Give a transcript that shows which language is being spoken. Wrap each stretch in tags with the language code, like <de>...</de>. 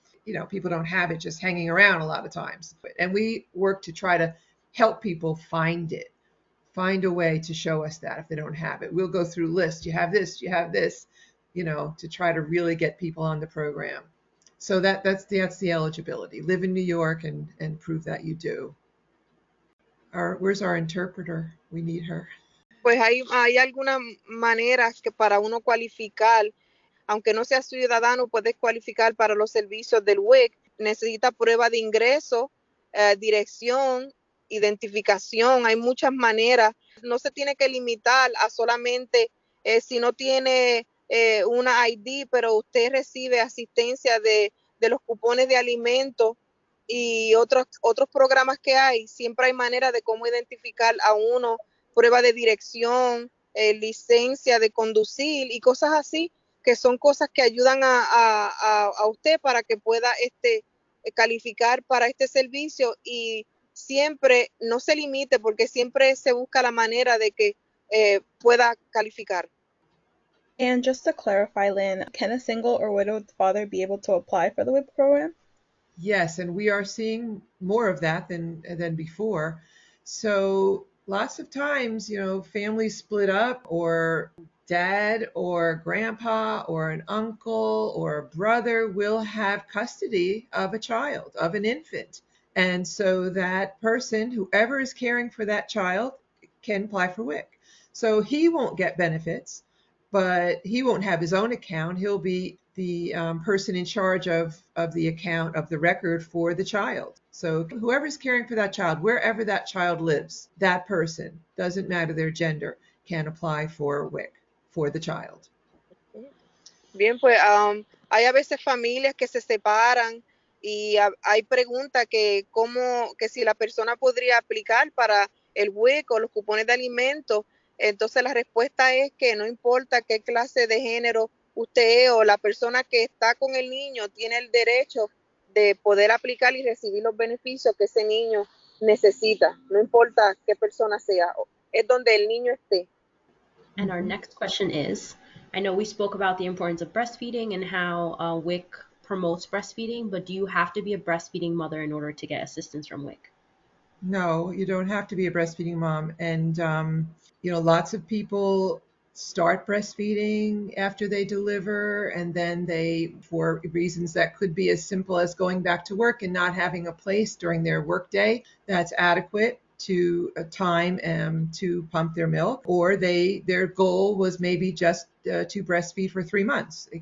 <en>You know, people don't have it just hanging around a lot of times. And we work to try to help people find a way to show us that if they don't have it. We'll go through lists. You have this, you have this. You know, to try to really get people on the program. So that's the eligibility. Live in New York and prove that you do. Where's our interpreter? We need her.</en> <es>Pues hay algunas maneras que para uno cualificar, aunque no sea ciudadano, puedes cualificar para los servicios del WIC. Necesita prueba de ingreso, dirección, identificación. Hay muchas maneras. No se tiene que limitar a solamente si no tiene una ID, pero usted recibe asistencia de los cupones de alimento y otros programas que hay. Siempre hay manera de cómo identificar a uno, prueba de dirección, licencia de conducir y cosas así, que son cosas que ayudan a usted para que pueda calificar para este servicio. Y siempre no se limite, porque siempre se busca la manera de que pueda calificar.</es> <en>And just to clarify, Lynn, can a single or widowed father be able to apply for the WIC program? Yes, and we are seeing more of that than before. So lots of times, you know, families split up, or dad or grandpa or an uncle or a brother will have custody of a child, of an infant. And so that person, whoever is caring for that child, can apply for WIC. So he won't get benefits, but he won't have his own account. He'll be the person in charge of the account, of the record for the child. So whoever's caring for that child, wherever that child lives, that person, doesn't matter their gender, can apply for WIC for the child.</en> <es>Bien, pues, hay a veces familias que se separan y hay pregunta que cómo, que si la persona podría aplicar para el WIC o los cupones de alimento. Entonces la respuesta es que no importa qué clase de género usted o la persona que está con el niño tiene el derecho de poder aplicar y recibir los beneficios que ese niño necesita, no importa qué persona sea, es donde el niño esté.</es> <en>And our next question is, I know we spoke about the importance of breastfeeding and how WIC promotes breastfeeding, but do you have to be a breastfeeding mother in order to get assistance from WIC? No, you don't have to be a breastfeeding mom. And, you know, lots of people start breastfeeding after they deliver, and then they, for reasons that could be as simple as going back to work and not having a place during their workday that's adequate to a time to pump their milk, or their goal was maybe just to breastfeed for 3 months.</en>